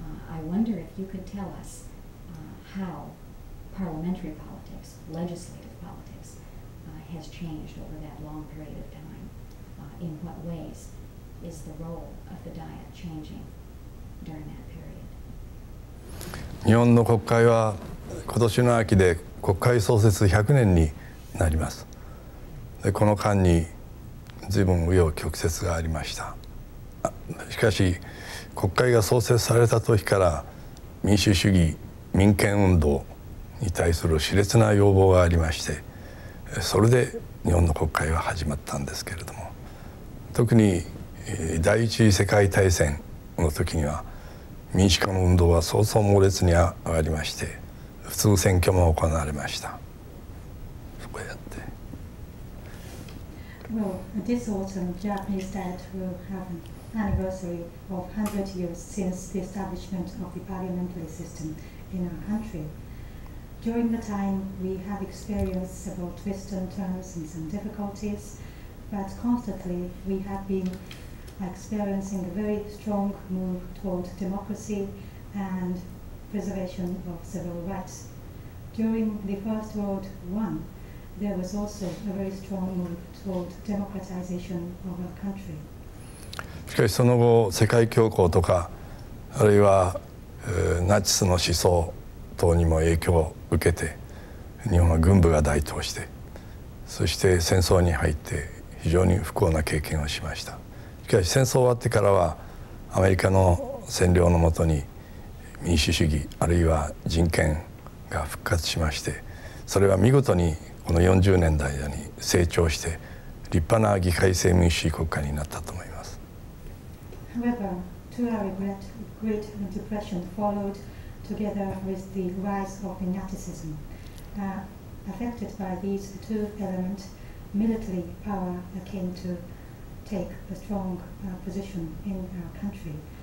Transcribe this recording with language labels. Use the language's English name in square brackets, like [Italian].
[English] I wonder if you could tell us how parliamentary politics, legislative politics, has changed over that long period of time. In what ways is the role of the Diet changing during that period? [Japanese] 日本の国会は今年の秋で国会創設100年になります。で、この間に随分紆余曲折がありました。しかし国会が創設された時から民主主義、民権運動に対する熾烈な要望がありまして、それで日本の国会は始まったんですけれども、特に第一次世界大戦の時には民主化の運動は早々猛烈に上がりまして、普通選挙も行われました。そこやって [English] Well, this autumn, Japanese Diet will have an anniversary of 100 years since the establishment of the parliamentary system in our country. During the time, we have experienced several twists and turns and some difficulties, but constantly we have been experiencing a very strong move toward democracy and preservation of civil rights. During the First World War, there was also a very strong move toward democratization of our country. [Japanese] しかしその後、世界恐慌とか、あるいは、ナチスの思想等にも影響を受けて、日本は軍部が台頭して、そして戦争に入って、非常に不幸な経験をしました。しかし戦争終わってからは、アメリカの占領のもとに民主主義、あるいは人権が復活しまして、それは見事にこの40年代に成長して、立派な議会制民主主義国家になったと思います。 [English] However, to our regret, Great Depression followed together with the rise of the Nazism. Affected by these two elements, military power came to take a strong position in our country.